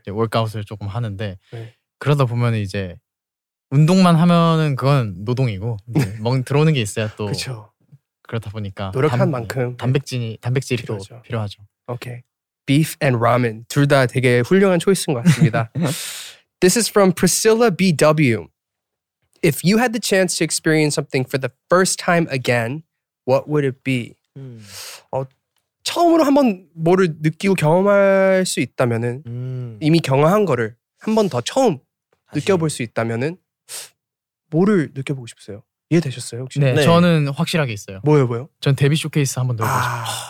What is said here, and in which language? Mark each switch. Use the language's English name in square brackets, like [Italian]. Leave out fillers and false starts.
[Korean] 이제 워크아웃을 조금 하는데 네. 그러다 보면 이제 운동만 하면은 그건 노동이고 멍 들어오는 게 있어야 또 그렇죠. 그렇다 보니까 노력한 만큼 단백질이 필요하죠. 또 필요하죠. [English] 오케이. Beef and ramen. [Korean] 둘 다 되게 훌륭한 초이스인 것 같습니다. [English] This is from Priscilla BW. If you had the chance to experience something for the first time again, what would it be? [Korean] 처음으로 한번 뭐를 느끼고 경험할 수 있다면은 이미 경험한 거를 한 번 더 처음 느껴볼 수 있다면은 뭐를 느껴보고 싶으세요? 이해되셨어요? 혹시? 네, 네. 저는 확실하게 있어요. 뭐예요? 뭐예요? 전 데뷔 쇼케이스 한번 더 보고 싶어요.